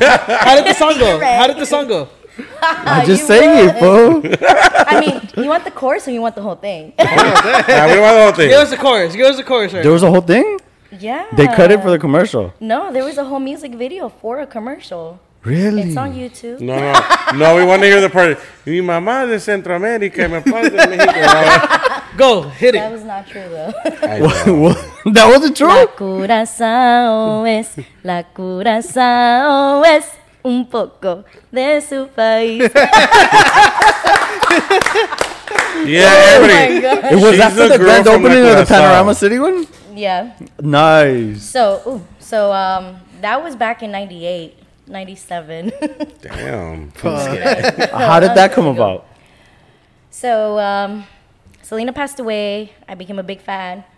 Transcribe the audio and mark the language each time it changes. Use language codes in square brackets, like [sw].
[en] How did the song go? I just sang it, bro. I mean, you want the chorus or you want the whole thing? Yeah, we want the whole thing. Give us the chorus. There was a whole thing? Yeah. They cut it for the commercial. No, there was a whole music video for a commercial. Really? It's on YouTube. No, we want to hear the part. [es] Mi mamá de Centroamérica, mi padre de México. [en] Go, hit it. That was not true, though. That wasn't true? [es] La Curaçao es un poco de su país. [en] Yeah, everybody. Oh my gosh. Was that for the grand opening of the Panorama City one? Yeah. Nice. So that was back in 97. Damn. How did that come about? So Selena passed away. I became a big fan.